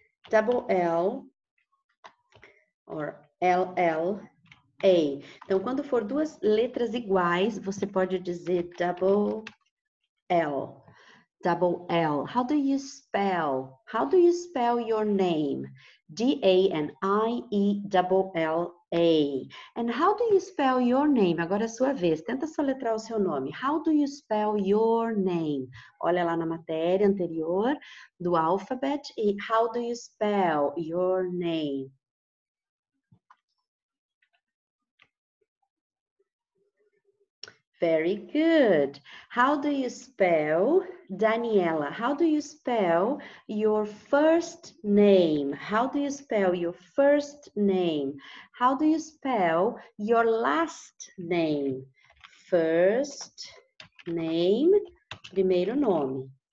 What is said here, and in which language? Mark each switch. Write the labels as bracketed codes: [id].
[en] Double L or LLA. [pt] Então, quando for duas letras iguais, você pode dizer double L. [en] Double L. How do you spell? How do you spell your name? D-A-N-I-E-L-L-A. And how do you spell your name? [pt] Agora é a sua vez. Tenta soletrar o seu nome. [en] How do you spell your name? [pt] Olha lá na matéria anterior do alphabet e [en] how do you spell your name? Very good. How do you spell, Daniela? How do you spell your first name? How do you spell your first name? How do you spell your last name? First name, [pt] primeiro nome.